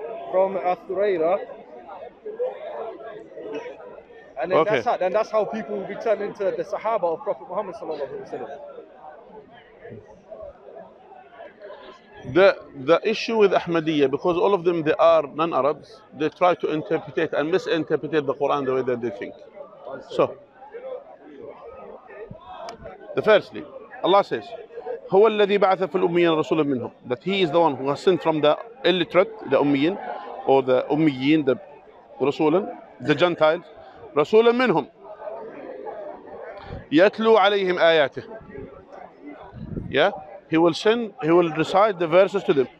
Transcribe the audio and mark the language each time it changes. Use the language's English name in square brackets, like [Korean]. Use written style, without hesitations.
[English] From Athuraira, and then okay. that's how people will be turned into the Sahaba of Prophet Muhammad sallallahu alaihi wasallam. The issue with Ahmadiyya, because all of them they are non-Arabs, they try to interpret and misinterpret the Quran the way that they think. So, firstly, Allah says, [Arabic] "هو الذي بعث في الأميين رسولا منهم." [English] That He is the one who has sent from the illiterate, the Ummiyin. Or the Ummiyin, the Rasulun, the Gentiles, Rasulun minhum, yatlu alayhim ayatih. Yeah, he will recite the verses to them.